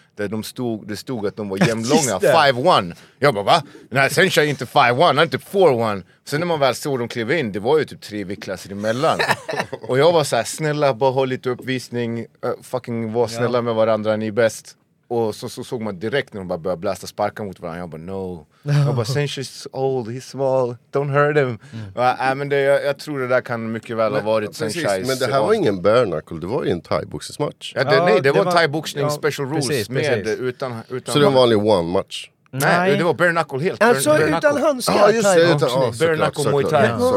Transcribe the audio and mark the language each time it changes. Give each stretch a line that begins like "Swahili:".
Swedish: Där det stod att de var jämlånga. 5-1. Jag bara, va? Nej, sen kör jag inte 5-1, inte 4-1. Sen när man väl såg dem kliva in, det var ju typ 3 viktklasser emellan. Och jag var så här, snälla, bara ha lite uppvisning. Fucking var snälla med varandra, ni är bäst. Och så såg man direkt när de bara började blasta sparkar mot varandra. Jag bara, no. Jag bara,
English: Sanchez old, he's small, don't hurt him.
Swedish: Men jag tror det där kan mycket väl ha varit Sanchez. Men det här var ingen bare-knuckle, det var ju en thai-boxningsmatch. Ja, det var thai-boxning special rules. Precis, precis. Utan så det var en vanlig one-match? Nej, det var bare-knuckle helt. Alltså utan handskar, thai-boxning. Bare-knuckle Muay Thai.